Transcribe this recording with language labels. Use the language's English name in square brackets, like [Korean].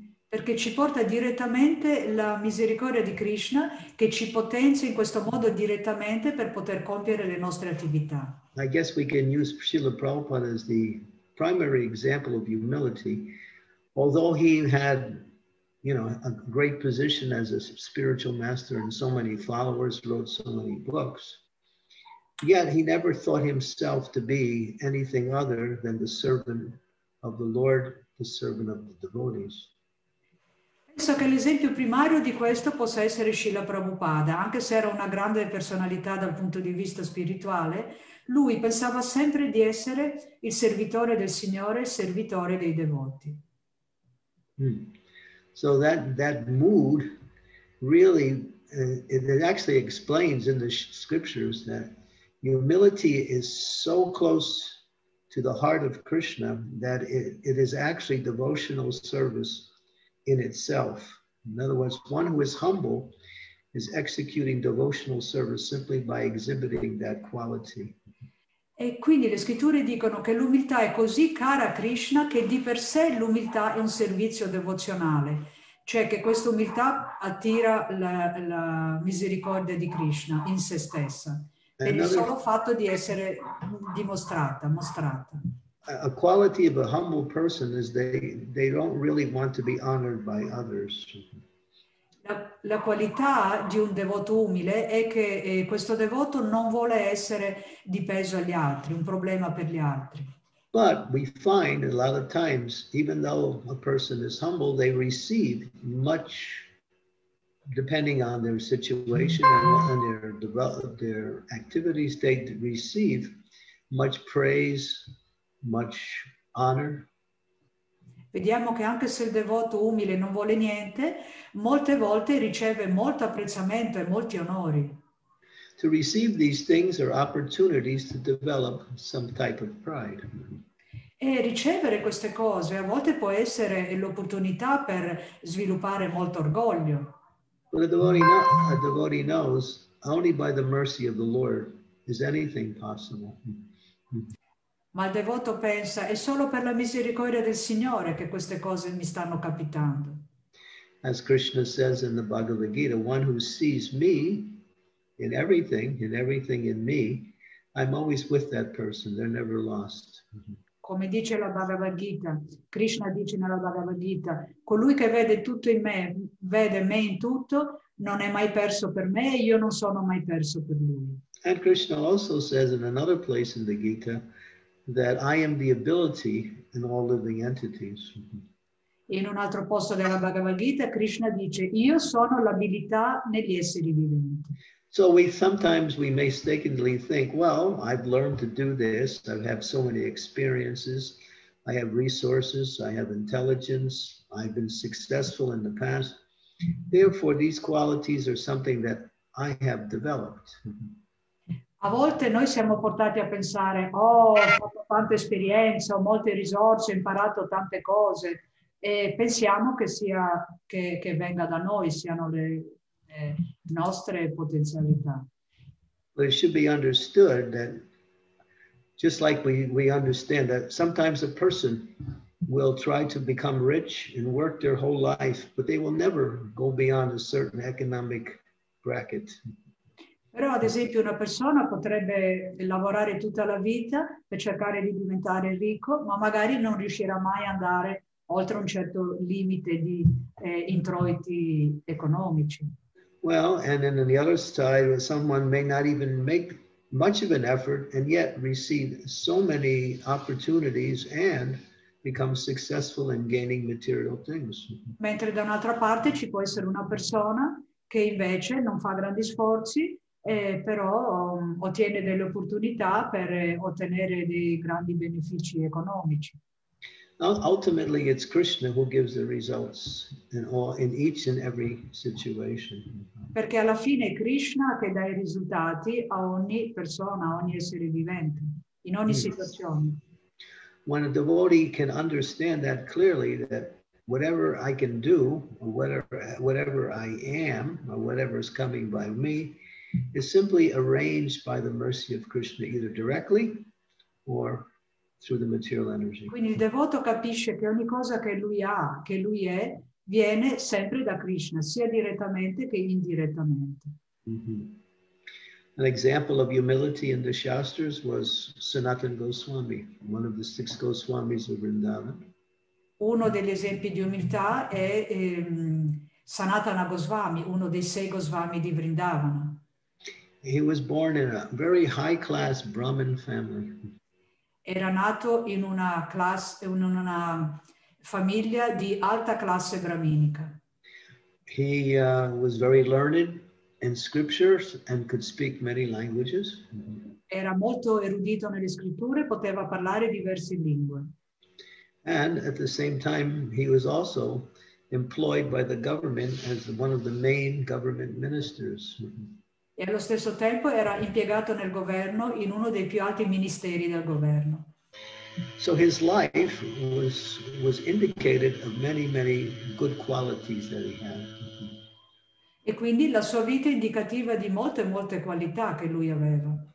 [Italian] Perché ci porta direttamente la misericordia di Krishna, che ci potenzia in questo modo direttamente per poter compiere le nostre attività. [English] I guess we can use Srila Prabhupada as the primary example of humility, although he had, you know, a great position as a spiritual master and so many followers, wrote so many books, yet he never thought himself to be anything other than the servant of the Lord, the servant of the devotees. [Italian] Penso che l'esempio primario di questo possa essere Srila Prabhupada, anche se era una grande personalità dal punto di vista spirituale, lui pensava sempre di essere il servitore del Signore, il servitore dei devoti. [English] So that mood really, it actually explains in the scriptures that humility is so close to the heart of Krishna that it is actually devotional service in itself. In other words, one who is humble is executing devotional service simply by exhibiting that quality. [Italian] E quindi le scritture dicono che l'umiltà è così cara a Krishna che di per sé l'umiltà è un servizio devozionale, cioè che questa umiltà attira la misericordia di Krishna in se stessa per il solo fatto di essere mostrata. [English] A quality of a humble person is they don't really want to be honored by others. [Italian] La qualità di un devoto umile è che questo devoto non vuole essere di peso agli altri, un problema per gli altri. [English] But we find a lot of times, even though a person is humble, they receive much, depending on their situation and their activities, they receive much praise, much honor. [Italian] Vediamo che anche se il devoto umile non vuole niente, molte volte riceve molto apprezzamento e molti onori. [English] To receive these things are opportunities to develop some type of pride. [Italian] E ricevere queste cose a volte può essere l'opportunità per sviluppare molto orgoglio. [English] But a devotee knows only by the mercy of the Lord is anything possible. [Italian] Ma il devoto pensa, è solo per la misericordia del Signore che queste cose mi stanno capitando. [English] As Krishna says in the Bhagavad Gita, one who sees me in everything in me, I'm always with that person, they're never lost. [Italian] Come dice la Bhagavad Gita, Krishna dice nella Bhagavad Gita, colui che vede tutto in me, vede me in tutto, non è mai perso per me e io non sono mai perso per lui. [English] And Krishna also says in another place in the Gita, that I am the ability in all living entities. [Italian] In un altro posto della Bhagavad Gita, Krishna dice, io sono l'abilità negli esseri viventi. [English] So sometimes we mistakenly think, well, I've learned to do this, I have so many experiences, I have resources, I have intelligence, I've been successful in the past. Therefore, these qualities are something that I have developed. [Italian] A volte noi siamo portati a pensare, oh, ho fatto tanta esperienza, ho molte risorse, ho imparato tante cose, e pensiamo che sia che venga da noi, siano le nostre potenzialità. [English] But it should be understood that, just like we understand that sometimes a person will try to become rich and work their whole life, but they will never go beyond a certain economic bracket. [Italian] Però, ad esempio, una persona potrebbe lavorare tutta la vita per cercare di diventare ricco, ma magari non riuscirà mai ad andare oltre un certo limite di introiti economici. [English] Well, and then on the other side, someone may not even make much of an effort and yet receive so many opportunities and become successful in gaining material things. [Italian] Mentre da un'altra parte ci può essere una persona che invece non fa grandi sforzi, però ottiene delle opportunità per ottenere dei grandi benefici economici. [English] Ultimately, it's Krishna who gives the results in each and every situation. [Italian] Perché alla fine è Krishna che dà i risultati a ogni persona, a ogni essere vivente, in ogni situazione. [English] When a devotee can understand that clearly, that whatever I can do, or whatever I am, or whatever is coming by me, is simply arranged by the mercy of Krishna, either directly or through the material energy. [Italian] Quindi il devoto capisce che ogni cosa che lui ha, che lui è, viene sempre da Krishna, sia direttamente che indirettamente. Mm-hmm. [English] An example of humility in the Shastras was Sanatana Goswami, one of the six Goswamis of Vrindavan. [Italian] Uno degli esempi di umiltà è Sanatana Goswami, uno dei sei Goswami di Vrindavan. [English] He was born in a very high class Brahmin family. [Italian] Era nato in una classe, in una famiglia di alta classe braminica. [English] He was very learned in scriptures and could speak many languages. [Italian] Era molto erudito nelle scritture, poteva parlare diverse lingue. [English] And at the same time, he was also employed by the government as one of the main government ministers. [Italian] E allo stesso tempo era impiegato nel governo in uno dei più alti ministeri del governo. [English] So his life was indicated of many, many good qualities that he had. [Italian] E quindi la sua vita è indicativa di molte, molte qualità che lui aveva.